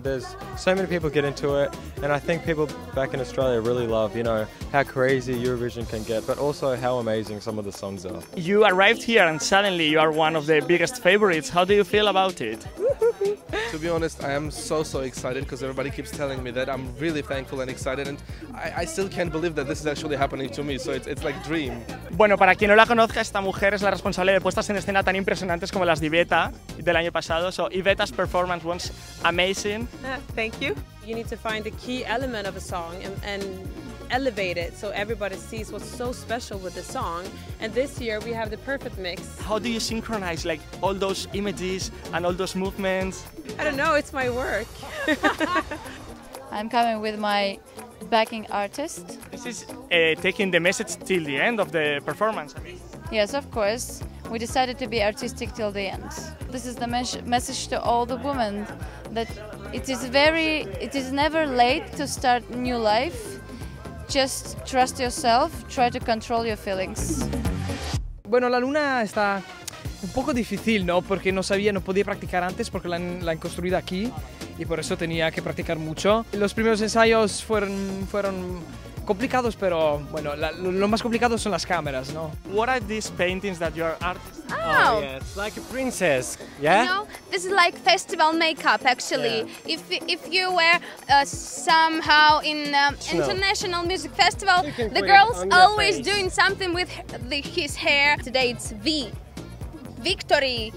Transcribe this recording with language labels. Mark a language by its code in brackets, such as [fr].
[en] There's so many people get into it, and I think people back in Australia really love, you know, how crazy Eurovision can get, but also how amazing some of the songs are. You arrived here and suddenly you are one of the biggest favorites. How do you feel about it? To be honest, I am so excited because everybody keeps telling me that. I'm really thankful and excited, and I still can't believe that this is actually happening to me, so it's like a dream. [es] Bueno, para quien no la conozca, esta mujer es la responsable de puestas en escena tan impresionantes como las de Iveta del año pasado. [en] So Iveta's performance was amazing. Thank you. You need to find the key element of a song and elevate it so everybody sees what's so special with the song, and this year we have the perfect mix. How do you synchronize like all those images and all those movements? I don't know, it's my work. I'm coming with my backing artist. This is taking the message till the end of the performance. Yes, of course. We decided to be artistic till the end. This is the message to all the women that it is never late to start new life. Just trust yourself, try to control your feelings. [es] Bueno, la luna está un poco difícil, ¿no? Porque no sabía, no podía practicar antes porque la han construido aquí y por eso tenía que practicar mucho. Los primeros ensayos fueron complicados, pero bueno, lo más complicado son las cámaras, ¿no? [en] What are these paintings that your artist? Oh, yeah, it's like a princess, yeah? You know, this is like festival makeup, actually. Yeah. If you were somehow in international music festival, the girls always doing something with his hair. Today it's V. Victory.